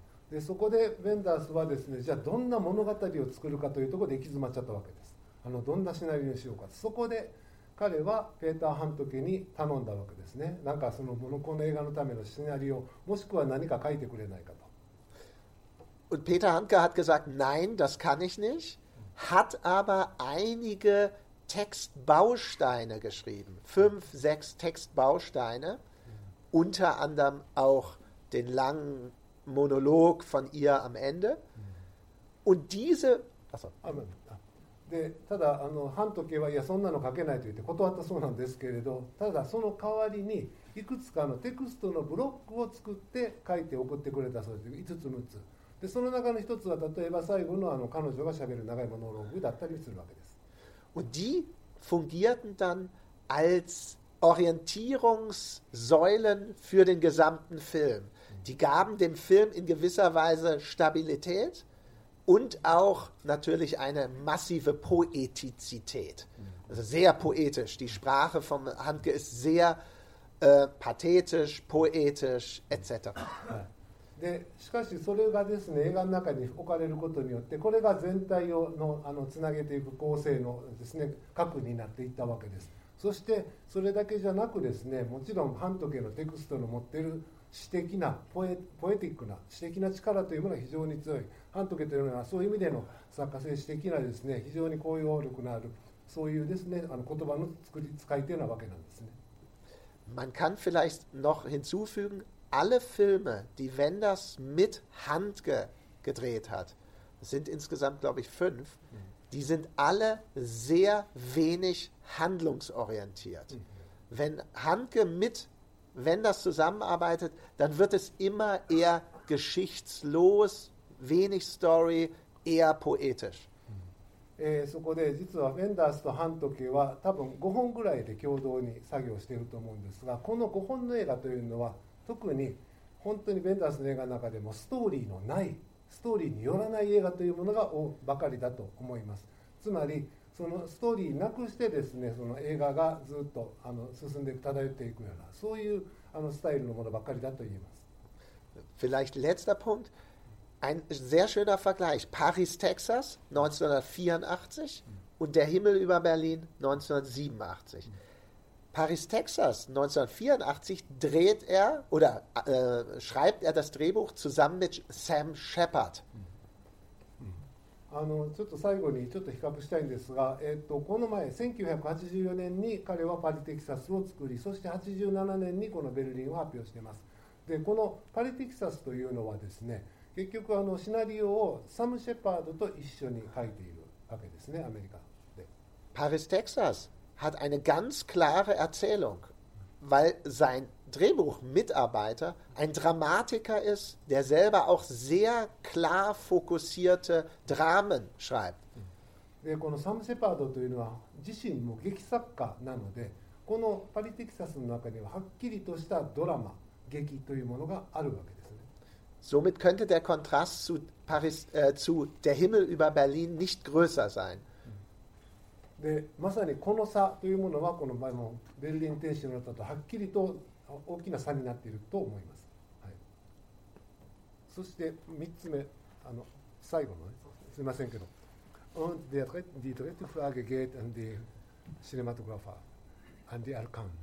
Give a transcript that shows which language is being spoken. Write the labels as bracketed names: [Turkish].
[Japanese] で、そこでベンダースはですね、じゃあどんな物語を作るかというところで行き詰まっちゃったわけです。どんなシナリオにしようか。そこで彼はペーター・ハントケに頼んだわけですね。なんかそのこの映画のためのシナリオ、もしくは何か書いてくれないかと。 [German] Und Peter Handke hat gesagt, nein, das kann ich nicht, hat aber einigeTextbausteine geschrieben, 5-6 Textbausteine, unter anderem auch den langen Monolog von ihr am Ende. Und diese. Achso. [Japanese] で、ただ半時計はいやそんなの書けないと言って断ったそうなんですけれど、ただその代わりにいくつかのテクストのブロックを作って書いて送ってくれたそうです。5つ6つ。で、その中の1つは例えば最後の彼女が喋る長いモノローグだったりするわけです。 [German] Und die fungierten dann als Orientierungssäulen für den gesamten Film. Die gaben dem Film in gewisser Weise Stabilität und auch natürlich eine massive Poetizität. Also sehr poetisch. Die Sprache von Handke ist sehr pathetisch, poetisch, etc. [Japanese] でしかしそれがですね、映画の中に置かれることによって、これが全体をのつなげていく構成のですね、核になっていったわけです。そしてそれだけじゃなくですね、もちろん半時計のテクストの持っている詩的なポエティックな詩的な力というものは非常に強い。半時計というのはそういう意味での作家性詩的なですね、非常に高揚力のあるそういうですね、言葉の作り使いというようなわけなんですね。 [German] Man kann vielleicht noch hinzufügen. Alle Filme, die Wenders mit Handke gedreht hat, sind insgesamt, glaube ich, 5, die sind alle sehr wenig handlungsorientiert. Wenn Handke mit Wenders zusammenarbeitet, dann wird es immer eher geschichtslos, wenig Story, eher poetisch. [Japanese] そこで実はベンダースとハントケは多分5本ぐらいで共同に作業していると思うんですが、この5本の映画というのは特に本当にベンダースの映画の中でもストーリーのない、ストーリーによらない映画というものがばかりだと思います。つまり、そのストーリーなくしてですね、その映画がずっと進んで漂っていくような、そういうスタイルのものばかりだと言います。 [German] Vielleicht letzter Punkt: Ein sehr schöner Vergleich: Paris, Texas, 1984 und Der Himmel über Berlin, 1987. Paris, Texas, 1984 dreht er oder schreibt er das Drehbuch zusammen mit Sam Shepard. [Japanese] ちょっと最後にちょっと比較したいんですが、この前1984年に彼はパリ・テキサスを作り、そして87年にこのベルリンを発表しています。でこのパリ・テキサスというのはですね、結局シナリオをサム・シェパードと一緒に書いているわけですね、アメリカで。 [German] パリ・テキサス hat eine ganz klare Erzählung, weil sein Drehbuchmitarbeiter ein Dramatiker ist, der selber auch sehr klar fokussierte Dramen schreibt. [Japanese] このサム・シェパードというのは自身も劇作家なので、このパリ・テキサスの中にははっきりとしたドラマ、劇というものがあるわけですね。 [German] Somit könnte der Kontrast zu Paris, zu der Himmel über Berlin nicht größer sein. [Japanese] でまさにこの差というものは、この場合もベルリン天使の歌とはっきりと大きな差になっていると思います、はい、そして3つ目、最後の、ね、すみませんけど、 [German] Und der dritte Frage geht an die Cinematographer, an die Alkan.